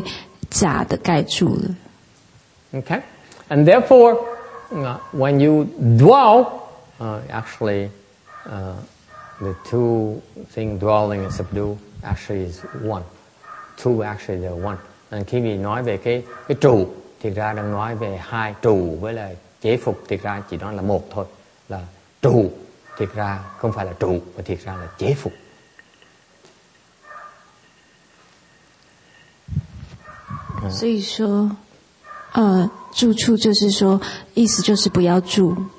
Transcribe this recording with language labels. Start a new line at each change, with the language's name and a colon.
Chinese: 所以说如果你一直收下去的话，你就会发现这个真理，因为这真的现实被假的盖住了。
English: Ok? And therefore, when you dwell, actually, the two things, dwelling and subdue, actually is one. Two actually are one.
Vietnamese: And khi mình nói về cái trụ, thì ra đang nói về hai trụ với lại chế phục, thì ra chỉ nói là một thôi. Là trụ, thì ra không phải là trụ, mà thì ra là chế phục.
Chinese: So, 住处就是说，意思就是不要住。